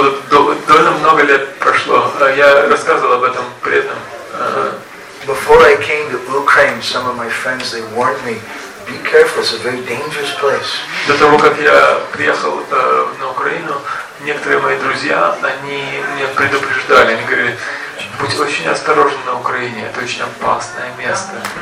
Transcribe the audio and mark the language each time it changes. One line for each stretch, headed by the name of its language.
Russian: Довольно много лет прошло. Я рассказывал об этом преданным
English: Before I came to Ukraine, some of my friends, they warned me, be careful, it's a very dangerous place.
Russian: До того, как я приехал на Украину, некоторые мои друзья, они меня предупреждали, они говорили, будь очень осторожен на Украине, это очень опасное место.